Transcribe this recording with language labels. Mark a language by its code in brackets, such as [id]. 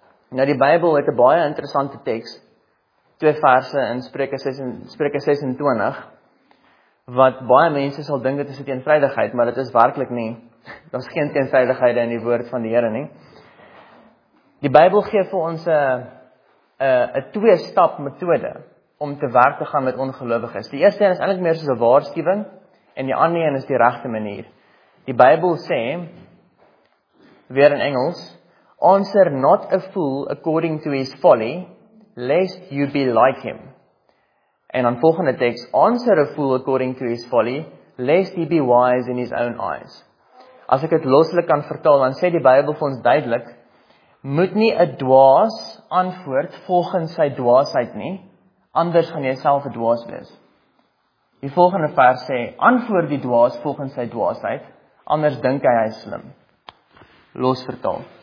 [af] Nou die Bybel het 'n baie interessante teks, twee verse in Spreuke 26, wat baie mense sal dink dit is 'n teenstrydigheid, maar dit is werklik nie. Daar's geen teenstrydighede in die woord van die Here nie. Die Bybel gee vir ons 'n twee-stap metode om te werk te gaan met ongelowiges. Die eerste een is eintlik meer soos 'n waarskuwing en die ander een is die regte manier. Die Bybel sê, weer in Engels, [en] Answer not a fool according to his folly, lest you be like him. [af] En dan volgende tekst, [en] Answer a fool according to his folly, lest he be wise in his own eyes. [af] As ek het loslik kan vertaal, dan sê die Bybel vir ons duidelik, Moet nie 'n dwaas antwoord volgens sy dwaasheid nie, anders gaan jy self 'n dwaas wees. Die volgende vers sê, Antwoord die dwaas volgens sy dwaasheid, anders dink hy is slim. Los vertaal.